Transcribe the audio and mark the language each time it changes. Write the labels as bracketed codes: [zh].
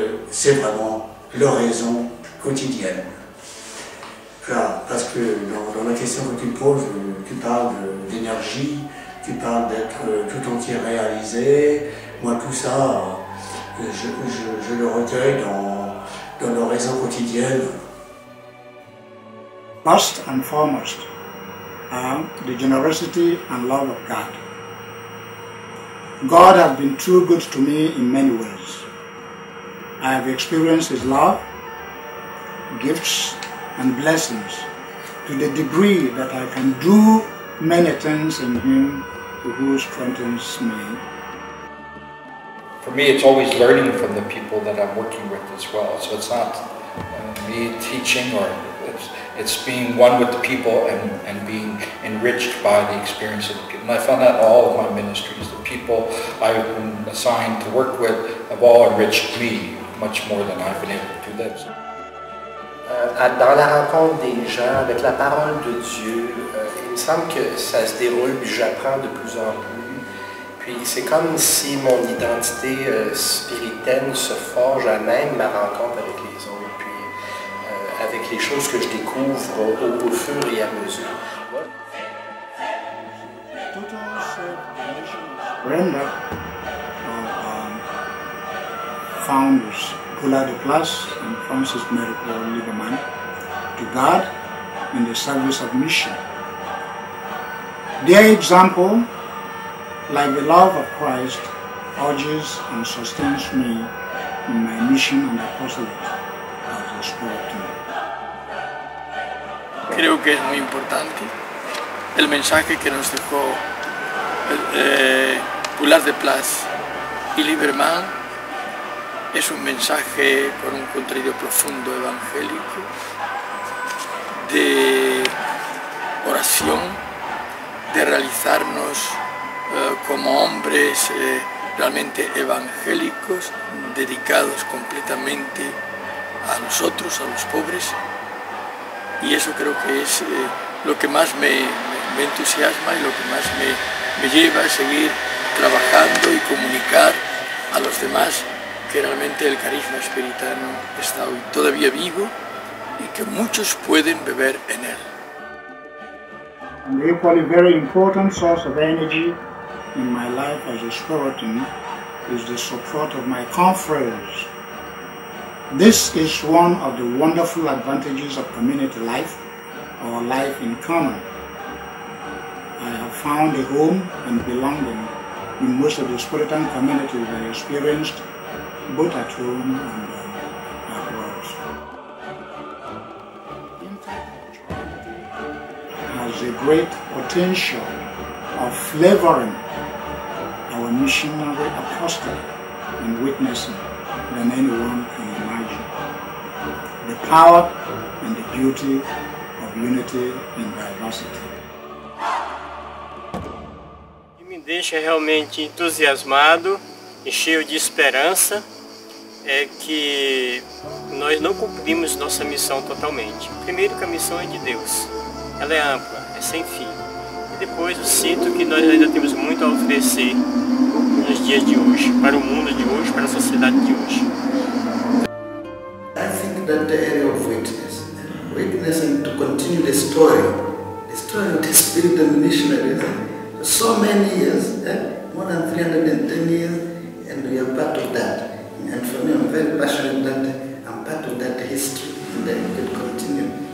[fr] c'est vraiment leur raison quotidienne. Voilà, parce que dans la question que tu poses, tu parles d'énergie, tu parles d'être tout entier réalisé. Moi, tout ça, je le recueille dans leur raison quotidienne. [en] First and foremost, the generosity and love of God. God has been too good to me in many ways. I have experienced His love, gifts, and blessings to the degree that I can do many things in Him who strengthens me. For me, it's always learning from the people that I'm working with as well. So it's not me teaching, or it's being one with the people and being enriched by the experience of the people. And I found that all of my ministries, the people I've been assigned to work with, have all enriched me much more than I've been able to do this. [fr] Dans la rencontre des gens avec la parole de Dieu, il me semble que ça se déroule, puis j'apprends de plus en plus. Puis c'est comme si mon identité spirituelle se forge à même ma rencontre avec les autres, puis avec les choses que je découvre au fur et à mesure. [en] Brenda, founders Pula de Place and Francis Mary Paul Lieberman, to God in the service of mission. Their example, like the love of Christ, urges and sustains me in my mission and apostolate as a spiritual. [es] Creo que es muy importante el mensaje que nos dejó Pula de Place y Lieberman. Es un mensaje con un contenido profundo evangélico, de oración, de realizarnos como hombres realmente evangélicos, dedicados completamente a nosotros, a los pobres. Y eso creo que es lo que más me entusiasma y lo que más me lleva a seguir trabajando y comunicar a los demás que realmente el carisma espiritano está hoy todavía vivo y que muchos pueden beber en él. [en] And equally very important source of energy in my life as a Spiritan is the support of my confreres. This is one of the wonderful advantages of community life, our life in common. I have found a home and belonging in most of the Spiritan communities I experienced, both at home and at work. Has a great potential of flavoring our missionary apostle and witnessing than anyone can imagine. The power and the beauty of unity and diversity. [pt] O que me deixa realmente entusiasmado e cheio de esperança é que nós não cumprimos nossa missão totalmente. Primeiro que a missão é de Deus. Ela é ampla, é sem fim. E depois eu sinto que nós ainda temos muito a oferecer nos dias de hoje, para o mundo de hoje, para a sociedade de hoje. [en] I think that the area of witness and to continue the story of the spirit and missionaries, for so many years, more than 310 years, and we are part of that. And for me, I'm very passionate that I'm part of that history, and then it will continue.